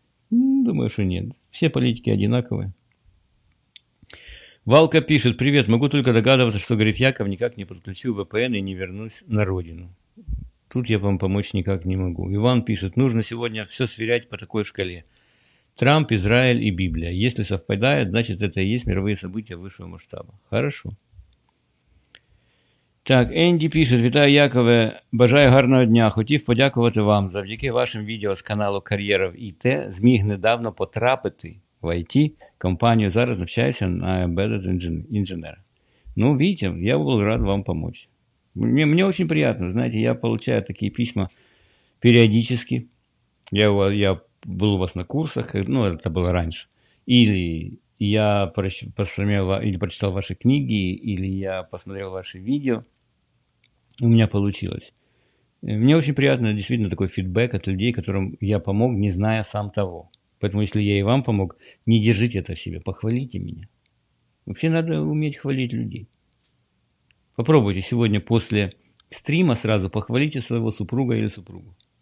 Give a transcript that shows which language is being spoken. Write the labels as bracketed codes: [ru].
[ru] Думаю, что нет. Все политики одинаковые. Валка пишет, привет, могу только догадываться, что, говорит, Яков, никак не подключу VPN и не вернусь на родину. Тут я вам помочь никак не могу. Иван пишет, нужно сегодня все сверять по такой шкале. Трамп, Израиль и Библия. Если совпадает, значит, это и есть мировые события высшего масштаба. Хорошо. Так, Энди пишет, [uk] вітаю, Якове, бажаю гарного дня, хотів подякувати вам. Завдяки вашим відео з каналу Кар'єра в ІТ зміг недавно потрапити в IT-компанію, зараз навчаюся на Embedded Engineer. Ну, Вітя, я був [ru] рад вам помочь. [uk] Мені дуже приємно, знаєте, я отримую такі письма періодично. Я був у вас на курсах, ну, це було раніше. Ілі я прочитав ваші книги, ілі я посмотрел ваші відео. [ru] У меня получилось. Мне очень приятно, действительно, такой фидбэк от людей, которым я помог, не зная сам того. Поэтому, если я и вам помог, не держите это в себе, похвалите меня. Вообще, надо уметь хвалить людей. Попробуйте сегодня после стрима сразу похвалите своего супруга или супругу.